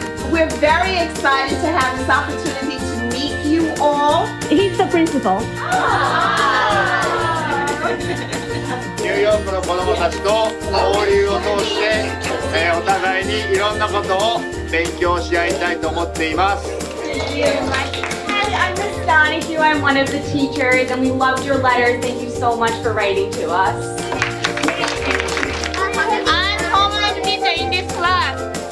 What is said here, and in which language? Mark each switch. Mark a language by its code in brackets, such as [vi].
[en] We're very excited to have this opportunity to meet you all. He's the principal. [ja] New York の子供たちと交流を通して、お互いにいろんなことを勉強し合いたいと思っています。 [en] Thank you. Hi, I'm Miss Donahue. I'm one of the teachers, and we loved your letter. Thank you so much for writing to us. I'm home as a teacher in this class.